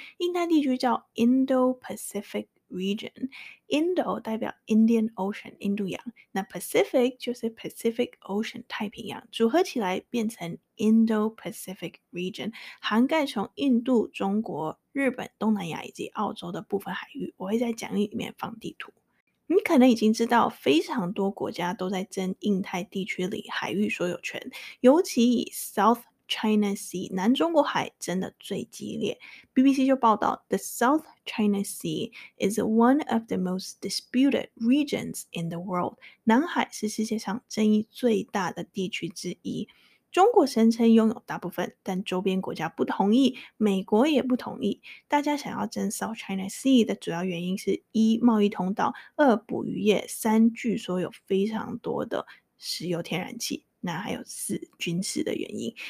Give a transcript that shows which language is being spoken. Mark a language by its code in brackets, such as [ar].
[zh] 印太地区叫 Indo-Pacific Region， Indo 代表 Indian Ocean 印度洋，那 Pacific 就是 Pacific Ocean 太平洋，组合起来变成 Indo-Pacific Region， 涵盖从印度、中国、日本、东南亚以及澳洲的部分海域。我会在讲义里面放地图。你可能已经知道非常多国家都在争印太地区里海域所有权，尤其以 South China Sea 南中国海争得最激烈。 [en] BBC [zh] 就报道 [en] The South China Sea is one of the most disputed regions in the world， [zh] 南海是世界上争议最大的地区之一。中国声称拥有大部分，但周边国家不同意，美国也不同意。大家想要争 South China Sea 的主要原因是：一、贸易通道；二、捕鱼业；三、据说有非常多的石油天然气；那还有四、军事的原因。